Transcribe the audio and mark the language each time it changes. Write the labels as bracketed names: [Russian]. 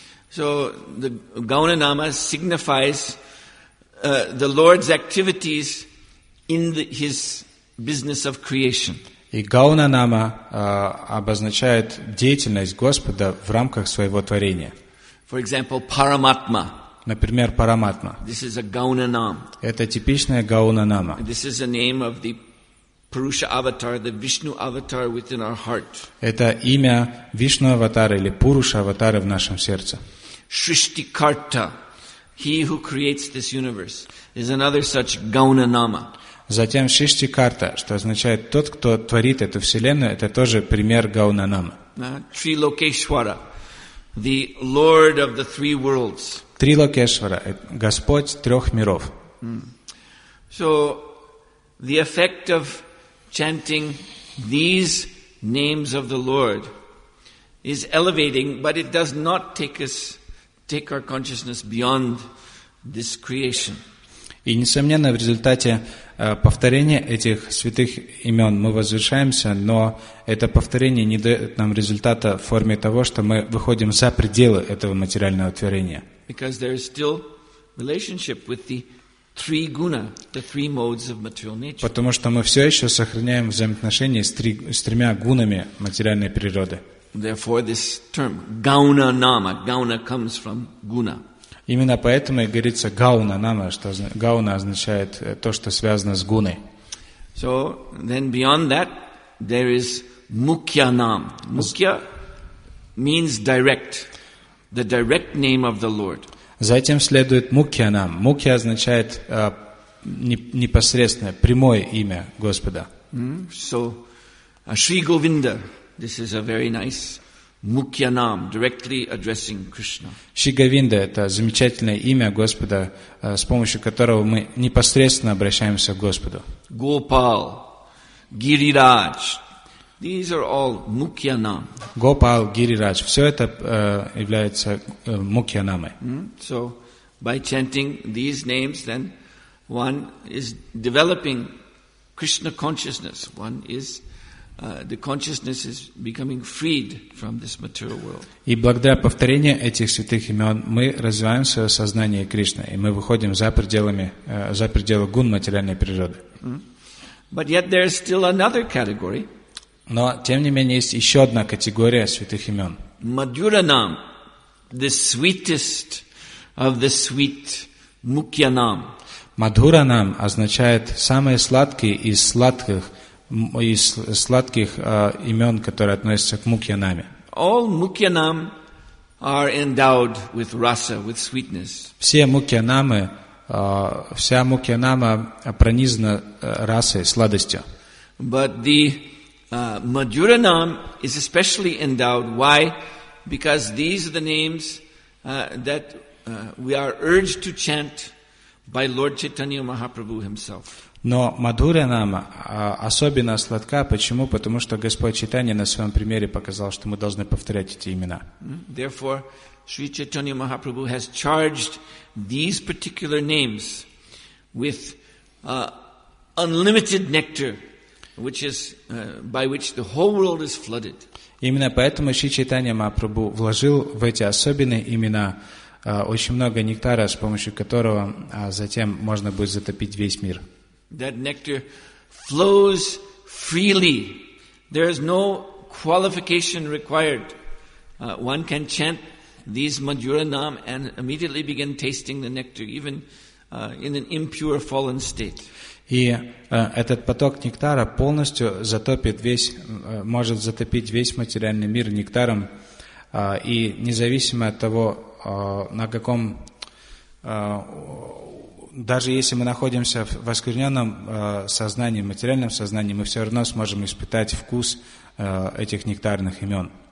[English] So the Gauna-nama signifies the Lord's activities in his business of creation. [Russian] И Gauna-nama обозначает деятельность Господа в рамках своего творения. [English] For example, Paramatma. [Russian] Например, Параматма. [English] This is a Gauna-nam. [Russian] Это типичная Гауна-нама. [English] This is the name of the Purusha avatar, the Vishnu avatar within our heart. [Russian] Это имя Вишну аватара или Пуруша аватара в нашем сердце. [English] Шриштикарта, he who creates this universe, is another such Gauna-nama. [Russian] Затем Шриштикарта, что означает тот, кто творит эту вселенную, это тоже пример Гауна-намы. [English] Трилокешвара, the Lord of the three worlds. [Russian] Трилокешвара, Господь трех миров. [English] So the effect of chanting these names of the Lord is elevating, but it does not take our consciousness beyond this creation. [Russian] И несомненно, в результате повторения этих святых имен мы возвышаемся, но это повторение не дает нам результата в форме того, что мы выходим за пределы этого материального творения. [English] Because there is still relationship with the three guna, the three modes of material nature. [Russian] Потому что мы все еще сохраняем взаимоотношения с тремя гунами материальной природы. [English] Therefore, this term gauna nama, gauna comes from guna. [Russian] Именно поэтому и говорится гауна нама, что гауна означает то, что связано с гуной. [English] So then, beyond that, there is mukya nama. Mukya means direct. The direct name of the Lord. [Russian] Затем следует Мукья-нам. Мукья означает непосредственное, прямое имя Господа. [English] So, Шри Говинда, this is a very nice Мукья-нам, directly addressing Krishna. [Russian] Шри Говинда – это замечательное имя Господа, с помощью которого мы непосредственно обращаемся к Господу. [English] Гопал, Гирирадж. These are all Mukya-nam. [Russian] Gopal, Girirāj, все это является Mukya-namai. [English] So, by chanting these names, then one is developing Krishna consciousness. One is the consciousness is becoming freed from this material world. [Russian] И благодаря повторению этих святых имен мы развиваем свое сознание Кришны, и мы выходим за пределы гун материальной природы. [English] But yet there is still another category. [Russian] Но, тем не менее, есть еще одна категория святых имен. [English] Мадхура-нам, the sweetest of the sweet Mukya-nam. [Russian] Мадхура-нам означает самый сладкий из сладких, имен, которые относятся к Мукья-наме. [English] All Mukya-nam are endowed with rasa, with sweetness. [Russian] Все Мукья-намы, вся Мукья-нама пронизана расой, сладостью. [English] But the Мадхура-нам is especially endowed. Why? Because these are the names that we are urged to chant by Lord Chaitanya Mahaprabhu himself. [Russian] Но Мадхура-нама особенно сладка. Почему? Потому что Господь Чайтанья на своем примере показал, что мы должны повторять эти имена. [English] Therefore, Sri Chaitanya Mahaprabhu has charged these particular names with unlimited nectar, which is by which the whole world is flooded. [Russian] Именно поэтому Шри Чайтанья Махапрабху вложил в эти особенные имена очень много нектара, с помощью которого затем можно будет затопить весь мир. [English] That nectar flows freely There is no qualification required. One can chant these Madhura Nam and immediately begin tasting the nectar, even in an impure fallen state. [Russian] И этот поток нектара полностью затопит весь, может затопить весь материальный мир нектаром, и независимо от того, на каком, даже если мы находимся в воскверненном сознании, материальном сознании, мы все равно сможем испытать вкус этих нектарных имен.